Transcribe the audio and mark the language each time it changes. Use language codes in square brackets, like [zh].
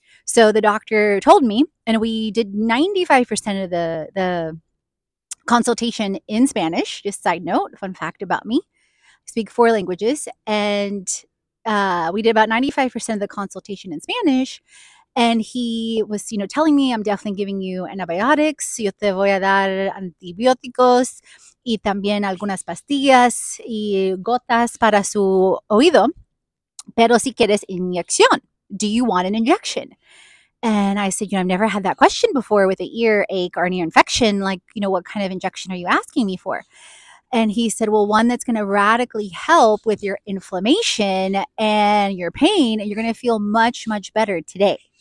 [en] So the doctor told me, and we did 95% of the consultation in Spanish. Just side note, fun fact about me, I speak four languages, and we did about 95% of the consultation in Spanish. And he was, you know, telling me, I'm definitely giving you antibiotics. [es] Yo te voy a dar antibióticos y también algunas pastillas y gotas para su oído. Pero si quieres inyección, [en] do you want an injection? And I said, you know, I've never had that question before with an earache or an ear infection. Like, you know, what kind of injection are you asking me for? And he said, well, one that's going to radically help with your inflammation and your pain, and you're going to feel much, much better today.